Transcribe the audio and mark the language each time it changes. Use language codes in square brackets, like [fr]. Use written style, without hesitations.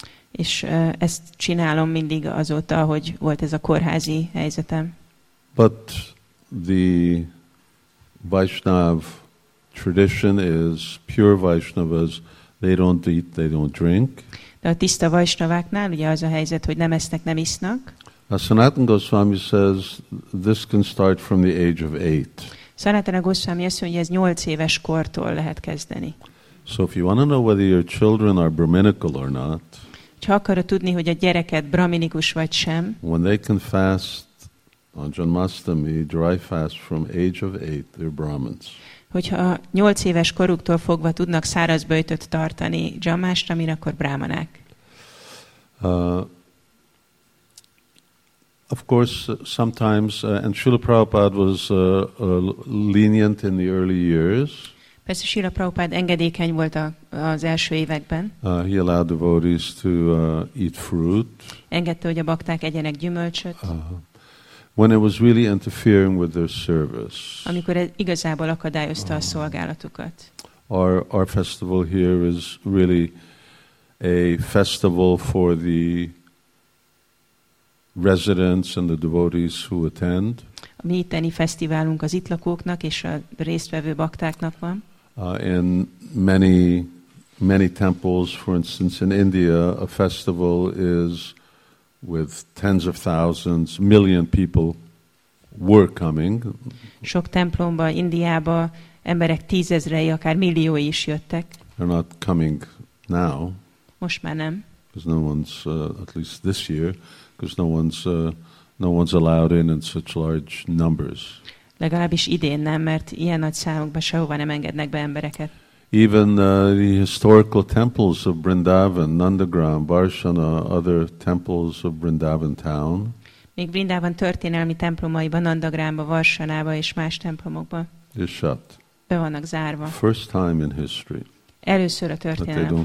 [hu] És ezt csinálom mindig azóta, hogy volt ez a kórházi helyzetem. [en] But the Vaishnav tradition is pure Vaishnavas, they don't eat, they don't drink. [hu] De a tiszta Vaishnaváknál ugye az a helyzet, hogy nem esznek, nem isznak. [en] A Sanatan Goswami says this can start from the age of 8. [hu] Sanatana Goswami azt mondja, hogy ez 8 éves kortól lehet kezdeni. [en] So if you want to know whether your children are brahminical or not, [hu] ha akarod tudni, hogy a gyereked brahminikus vagy sem, [en] when they can fast on Janmashtami, dry fast from age of 8, they're Brahmins. [hu] Hogyha 8 éves koruktól fogva tudnak száraz böjtöt tartani Janmashtamin, akkor brahmanák. [en] Of course, sometimes, and Srila Prabhupada was lenient in the early years. [hu] Persze Srila Prabhupada engedékeny volt az első években. [en] He allowed devotees to eat fruit. [hu] Engedte, hogy a bakták egyenek gyümölcsöt. [en] When it was really interfering with their service. [hu] Amikor ez igazából akadályozta a szolgálatukat. [en] Our festival here is really a festival for the residents and the devotees who attend. [hu] A mi itteni fesztiválunk az itt lakóknak és a résztvevő baktáknak van. [en] In many temples, for instance, in India, a festival is with tens of thousands, million people were coming. [hu] Sok templomban, Indiába emberek tízezrei, akár milliói is jöttek. [en] They're not coming now. [hu] Most már nem. [en] Because no one's, at least this year, because no one's allowed in such large numbers. [hu] Legalábbis idén nem, mert ilyen nagy számokban sehova nem engednek be embereket. [en] Even the historical temples of Vrindavan, Nandagram, Varshana, other temples of Vrindavan town. [hu] Még Vrindavan történelmi templomaiban, Nandagramba, Varshanába és más templomokban. [en] Is shut. [hu] Be vannak zárva. [en] First time in history. [hu] Először a történelem folyamán.